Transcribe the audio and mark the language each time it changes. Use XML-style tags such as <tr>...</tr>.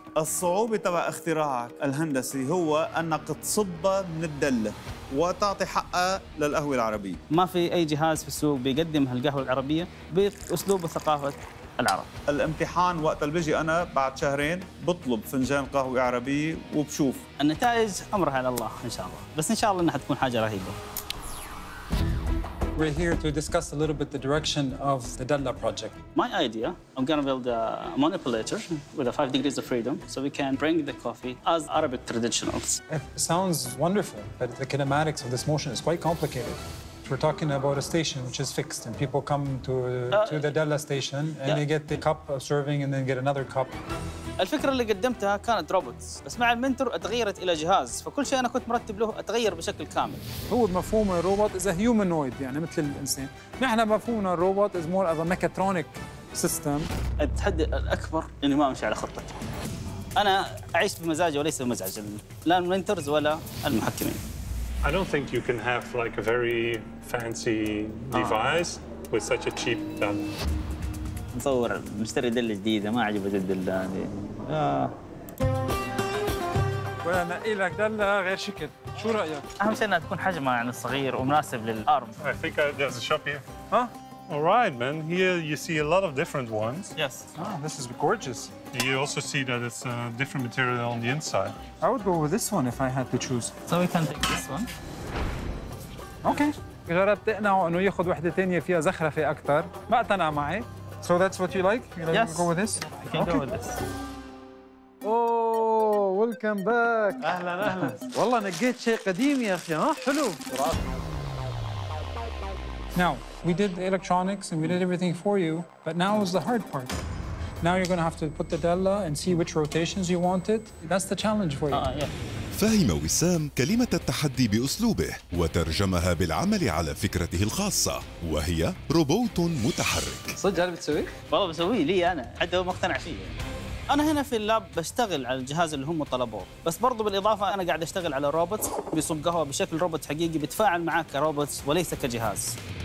<ar>الصعوبة تبع اختراعك الهندسي هو أنك تصبها من الدلة وتعطي حقها للقهوة العربية. ما في أي جهاز في السوق بيقدم هالقهوة العربية بأسلوب وثقافة العرب. الامتحان وقت اللي بيجي أنا بعد شهرين بطلب فنجان قهوة عربية وبشوف. النتائج أمرها على الله إن شاء الله، بس إن شاء الله أنها تكون حاجة رهيبة.</ar> <en>We're here to discuss a little bit the direction of the Dalla project. My idea, I'm going to build a manipulator with a 5 degrees of freedom so we can bring the coffee as Arabic traditionals. It sounds wonderful, but the kinematics of this motion is quite complicated. We're talking about a station which is fixed and people come to the Dalla station and yeah. They get the cup of serving and then get another cup.</en> <ar>الفكرة اللي قدمتها كانت روبوتس، بس مع المنتور اتغيرت الى جهاز، فكل شيء انا كنت مرتب له اتغير بشكل كامل. هو مفهوم الروبوت</ar> <en>as humanoid</en> <ar>يعني مثل الانسان، نحن مفهومنا الروبوت</ar> <en>As more as mechatronic system.</en> <ar>التحدي الاكبر اني ما امشي على خطتهم. انا اعيش بمزاجي وليس بمزاج لا المنتورز ولا المحكمين.</ar> <en>I don't think you can have like a very fancy device with such a cheap gun.</en> <ar>نصور مشتري دلة جديدة ما عجبت الدلة هذه. ولا نقي لك دلة غير شكل، شو رأيك؟ أهم شيء إنها تكون حجمها يعني صغير ومناسب للأرض.</ar> <en>I think there's a shop here. Huh? All right, man. Here you see a lot of different ones. Yes. This is gorgeous. Do you also see that it's a different material on the inside? I would go with this one if I had to choose. So we can take this one. Okay.</en> <ar>جربت أقنعه إنه ياخذ وحدة ثانية فيها زخرفة أكثر، ما اقتنع معي.</ar> <en>So that's what you like? You yes. Go with this? I can okay. Go with this. Oh, welcome back.</en> <ar>أهلا أهلا. والله نقيت شيء قديم يا أخي، حلو.</ar> <en>Now, we did the electronics and we did everything for you, but now is the hard part. Now you're going to have to put the Dalla and see which rotations you want it. That's the challenge for you.</en> <ar>فهم وسام كلمة التحدي بأسلوبه وترجمها بالعمل على فكرته الخاصة وهي روبوت متحرك. صدق هل بتسويه؟ والله بسويه لي أنا، حتى هو مقتنع فيه. أنا هنا في اللاب بشتغل على الجهاز اللي هم طلبوه، بس برضو بالإضافة أنا قاعد أشتغل على روبوت بيصب قهوة بشكل روبوت حقيقي بيتفاعل معاك كروبوت وليس كجهاز.</ar>